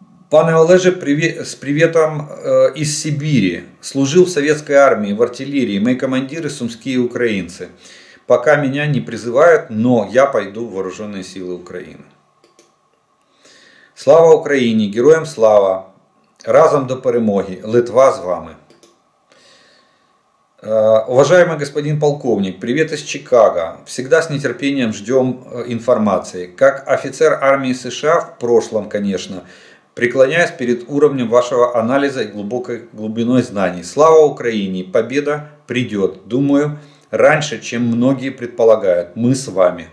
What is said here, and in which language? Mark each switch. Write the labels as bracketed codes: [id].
[ru] Пане Олеже, привет, с приветом из Сибири. Служил в советской армии, в артиллерии. Мои командиры сумские украинцы. Пока меня не призывают, но я пойду в вооруженные силы Украины. [uk] Слава Україні, героям слава, разом до перемоги, Литва з вами. [ru] Уважаемый господин полковник, привет из Чикаго. Всегда с нетерпением ждем информации. Как офицер армии США в прошлом, конечно, преклоняюсь перед уровнем вашего анализа и глубокой глубиной знаний. Слава Украине, победа придет, думаю, раньше, чем многие предполагают. Мы с вами.